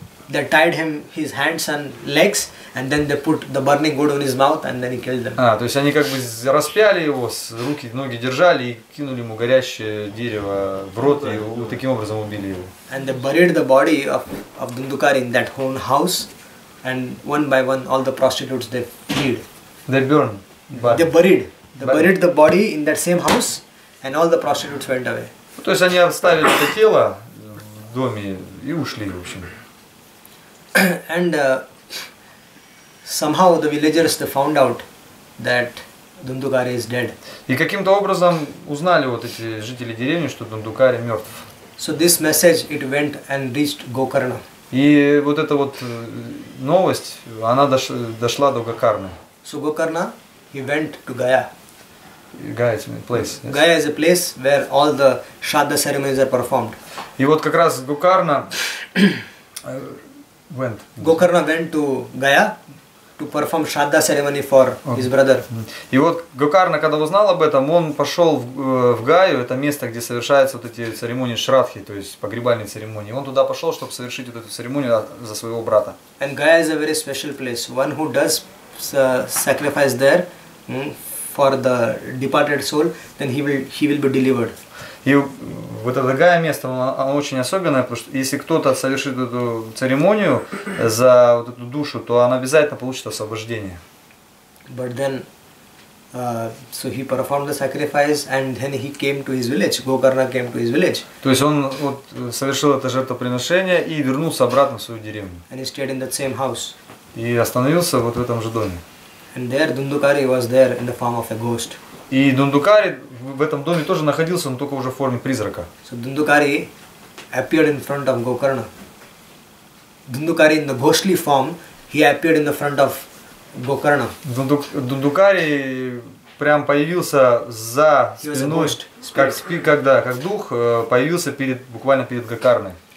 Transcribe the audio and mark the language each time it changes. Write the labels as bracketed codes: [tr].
[en] They tied him his hands and legs, and then they put the burning wood on his mouth, and then he killed them. [ru] То есть они как бы распяли его, руки, ноги держали и кинули ему горящее дерево в рот и вот таким образом убили его. [en] And they buried the body of Dundukari in that own house, and one by one all the prostitutes they killed. They burned. They buried the body in that same house, and all the prostitutes went away. [ru] То есть они оставили это тело в доме и ушли, в общем. [en] And somehow the villagers they found out that Dundukari is dead. [ru] И каким-то образом узнали вот эти жители деревни, что Дундукари мертв. [en] So this message it went and reached Gokarna. [ru] И вот эта вот новость она дошла до Гокарны. [en] So Gokarna he went to Gaya. Gaya is a place. Yes. Gaya is a place where all the Shraddha ceremonies are performed. [ru] И вот как раз Гокарна. [en] Went. Gokarna went to Gaya to perform Shraddha ceremony for okay. his brother. [ru] И вот Гокарна, когда узнал об этом, он пошел в Гаю, это место, где совершаются вот эти церемонии Шрадхи, то есть погребальные церемонии. Он туда пошел, чтобы совершить вот эту церемонию за своего брата. [en] And Gaya is a very special place. One who does sacrifice there for the departed soul, then he will be delivered. [ru] И вот это Гая место, оно очень особенное, потому что если кто-то совершит эту церемонию за вот эту душу, то она обязательно получит освобождение. [en] But then, so he performed the sacrifice and then he came to his village. Gokarna came to his village. [ru] То есть он вот совершил это жертвоприношение и вернулся обратно в свою деревню. [en] And he stayed in that same house. [ru] И остановился вот в этом же доме. [en] And there Dundukari was there in the form of a ghost. [ru] И Дундукари в этом доме тоже находился, но только уже в форме призрака. [en] So Dundukari appeared in front of Gokarna. Dundukari in the ghostly form, he appeared in the front of Gokarna. [ru] Дундукари прям появился за спиной, как спик, когда, как дух, появился перед, буквально перед Гокарной.